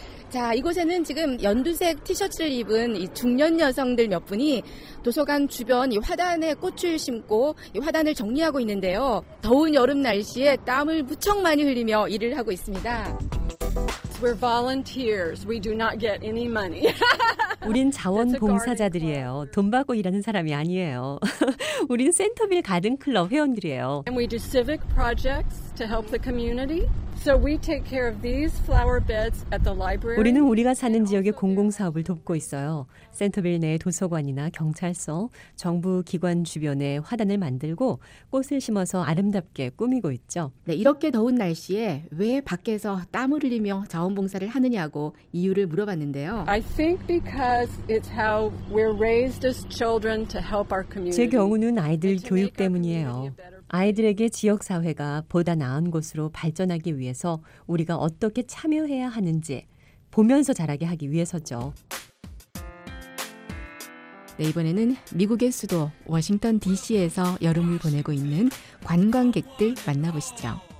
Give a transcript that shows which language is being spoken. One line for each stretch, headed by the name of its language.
Korean: 자, 이곳에는 지금 연두색 티셔츠를 입은 이 중년 여성들 몇 분이 도서관 주변 이 화단에 꽃을 심고 이 화단을 정리하고 있는데요. 더운 여름 날씨에 땀을 무척 많이 흘리며 일을 하고 있습니다.
English: We're volunteers. We do not get any money.
Korean: 우린 자원봉사자들이에요. 돈 받고 일하는 사람이 아니에요. 우린 센터빌 가든클럽 회원들이에요.
English: And we do civic projects to help the community. So we take care of these flower beds at the library.
Korean: 우리는 우리가 사는 지역의 공공 사업을 돕고 있어요. 센터빌 내 도서관이나 경찰서, 정부 기관 주변에 화단을 만들고 꽃을 심어서 아름답게 꾸미고 있죠. 네, 이렇게 더운 날씨에 왜 밖에서 땀을 흘리며 자원봉사를 하느냐고 이유를 물어봤는데요.
English: I think because it's how we're raised as children to help our community.
Korean: 제 경우는 아이들 교육 때문이에요. 아이들에게 지역 사회가 보다 나은 곳으로 발전하기 위해서 우리가 어떻게 참여해야 하는지 보면서 자라게 하기 위해서죠. 네, 이번에는 미국의 수도 워싱턴 DC에서 여름을 보내고 있는 관광객들 만나보시죠.